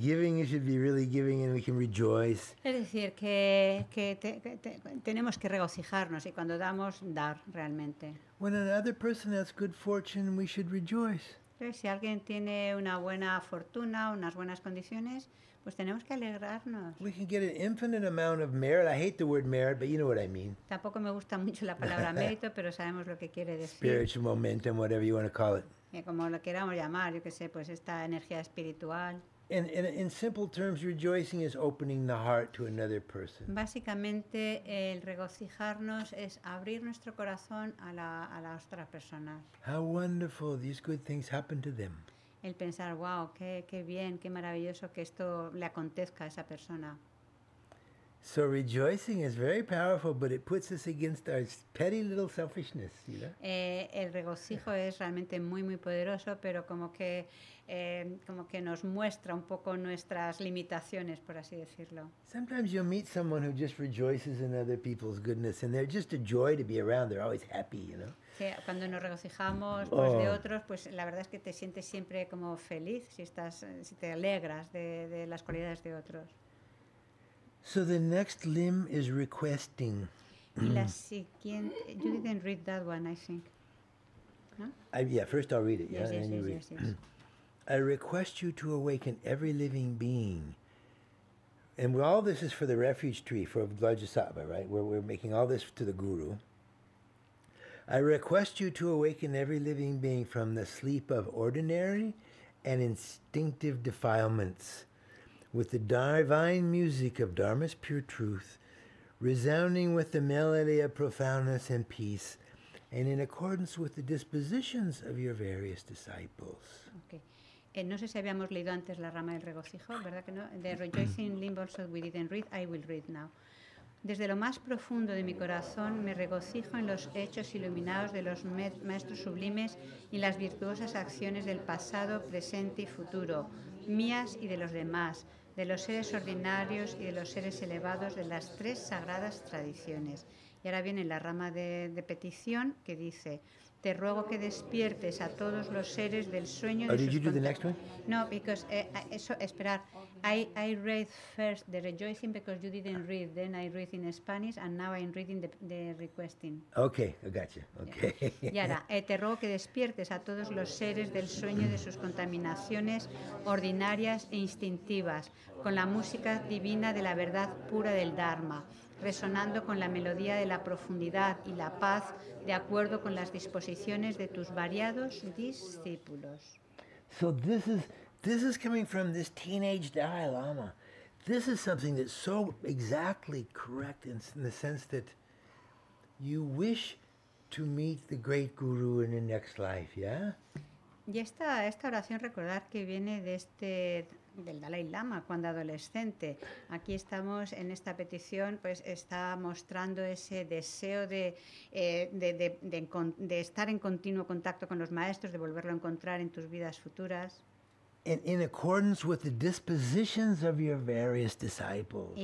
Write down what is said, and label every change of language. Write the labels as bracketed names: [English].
[English] Giving, you should be really giving, and we can rejoice. [Spanish] Es decir, que tenemos que regocijarnos, y cuando damos, dar realmente. [English] When another person has good fortune, we should rejoice. Si alguien tiene una buena fortuna, unas buenas condiciones, pues tenemos que alegrarnos. We can get an infinite amount of merit. I hate the word merit, but you know what I mean. [Spanish] Tampoco me gusta mucho la palabra mérito, pero sabemos lo que quiere decir. [English] Spiritual momentum, whatever you want to call it. [Spanish] Como lo queramos llamar, yo que sé, pues esta energía espiritual. [English] In simple terms, rejoicing is opening the heart to another person. [Spanish] Básicamente, el regocijarnos es abrir nuestro corazón a la otra persona. [English] How wonderful these good things happen to them. [Spanish] El pensar, wow, qué bien, qué maravilloso que esto le acontezca a esa persona. [English] So rejoicing is very powerful, but it puts us against our petty little selfishness, you know? [Spanish] El regocijo es realmente muy, muy poderoso, pero como que nos muestra un poco nuestras limitaciones, por así decirlo. [English] Sometimes you meet someone who just rejoices in other people's goodness, and they're just a joy to be around. They're always happy, you know? [Spanish] Cuando nos regocijamos pues, de otros, pues la verdad es que te sientes siempre como feliz si te alegras de las cualidades de otros. [English] So the next limb is requesting. La siguiente, you didn't read that one, I think. No? First I'll read it. Yes, yeah, yes, and yes, you read. Yes, yes. I request you to awaken every living being. And all this is for the refuge tree, for Vajrasattva, right? We're making all this to the guru. I request you to awaken every living being from the sleep of ordinary and instinctive defilements with the divine music of Dharma's pure truth, resounding with the melody of profoundness and peace, and in accordance with the dispositions of your various disciples. Okay. [Spanish] No sé si habíamos leído antes la rama del regocijo, ¿verdad que no? The rejoicing limb also we didn't read, I will read now. Desde lo más profundo de mi corazón me regocijo en los hechos iluminados de los maestros sublimes y las virtuosas acciones del pasado, presente y futuro, mías y de los demás, de los seres ordinarios y de los seres elevados de las tres sagradas tradiciones. Y ahora viene la rama de petición que dice, te ruego que despiertes a todos los seres del sueño de sus contactos. [English] No, because esperar. I read first the rejoicing because you didn't read. Then I read in Spanish and now I'm reading the requesting. Okay, I gotcha. Okay. [Spanish] Y ahora, te ruego que despiertes a todos los seres del sueño de sus contaminaciones ordinarias e instintivas con la música divina de la verdad pura del Dharma, resonando con la melodía de la profundidad y la paz de acuerdo con las disposiciones de tus variados discípulos. [English] So this is this is coming from this teenage Dalai Lama. This is something that's so exactly correct in the sense that you wish to meet the great guru in the next life, yeah? [Spanish] Y esta, esta oración, recordar que viene de este, del Dalai Lama cuando adolescente. Aquí estamos en esta petición, pues está mostrando ese deseo de estar en continuo contacto con los maestros, de volverlo a encontrar en tus vidas futuras. [English] In accordance with the dispositions of your various disciples.